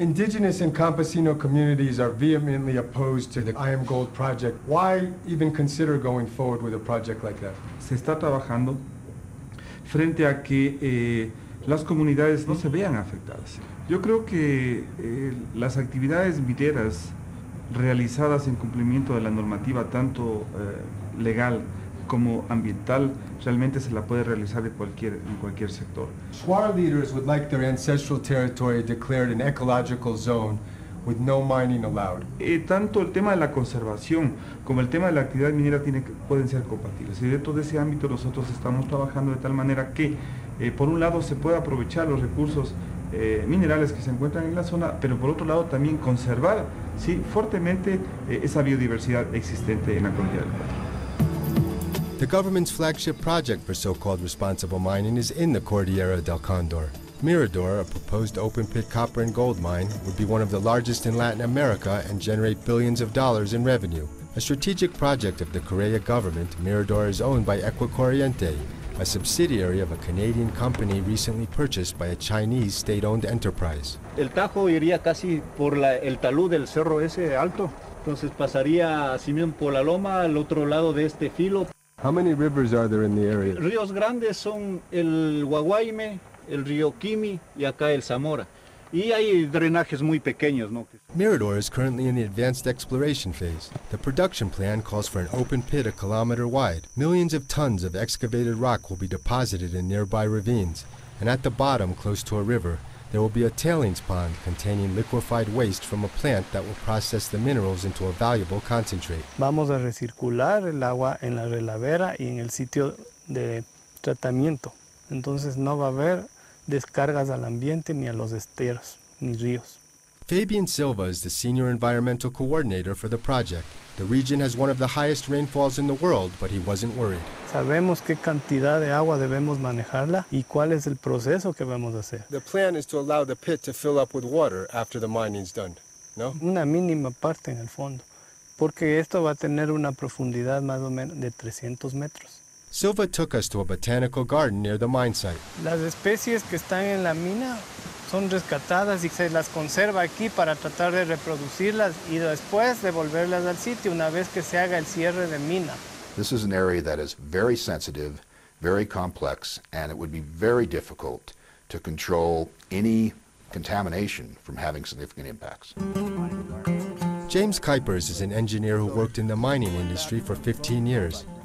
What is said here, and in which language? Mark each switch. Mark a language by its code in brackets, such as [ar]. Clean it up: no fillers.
[en] Indigenous and campesino communities are vehemently opposed to the IAMGOLD project. Why even consider going forward with a project like that? [es] Se está trabajando frente a que las comunidades no se vean afectadas. Yo creo que las actividades mineras realizadas en cumplimiento de la normativa tanto legal como ambiental realmente se la puede realizar en cualquier sector. [en] Shuar leaders would like their ancestral territory declared an ecological zone with no mining allowed. [es] Tanto el tema de la conservación como el tema de la actividad minera pueden ser compatibles. Y dentro de ese ámbito nosotros estamos trabajando de tal manera que por un lado se pueda aprovechar los recursos minerales que se encuentran en la zona, pero por otro lado también conservar, sí, fuertemente esa biodiversidad existente en la comunidad del Cuatro. [en] The government's flagship project for so-called responsible mining is in the Cordillera del Condor. Mirador, a proposed open-pit copper and gold mine, would be one of the largest in Latin America and generate billions of dollars in revenue. A strategic project of the Korea government, Mirador is owned by Equicorriente, a subsidiary of a Canadian company recently purchased by a Chinese state-owned enterprise. [es] El Tajo iría casi por el talud del cerro ese alto, entonces pasaría así mismo por la loma al otro lado de este filo. [en] How many rivers are there in the area? [es] Ríos grandes son el Guaguaime, el río Kimi y acá el Zamora. Y hay drenajes muy pequeños, ¿no? [en] Mirador is currently in the advanced exploration phase. The production plan calls for an open pit a kilometer wide. Millions of tons of excavated rock will be deposited in nearby ravines. And at the bottom, close to a river, there will be a tailings pond containing liquefied waste from a plant that will process the minerals into a valuable concentrate. [es] Vamos a recircular el agua en la relavera y en el sitio de tratamiento. Entonces no va a haber descargas al ambiente ni a los esteros ni ríos. [en] Fabian Silva is the senior environmental coordinator for the project. The region has one of the highest rainfalls in the world, but he wasn't worried. [es] Sabemos qué cantidad de agua debemos manejarla y cuál es el proceso que vamos a hacer. [en] The plan is to allow the pit to fill up with water after the mining's done, no? [es] Una mínima parte en el fondo, porque esto va a tener una profundidad más o menos de 300 metros. [en] Silva took us to a botanical garden near the mine site. [es] Las especies que están en la mina son rescatadas y se las conserva aquí para tratar de reproducirlas y después devolverlas al sitio una vez que se haga el cierre de mina. [en] This is an area that is very sensitive, very complex, and it would be very difficult to control any contamination from having significant impacts. James Kuipers is an engineer who worked in the mining industry for 15 years.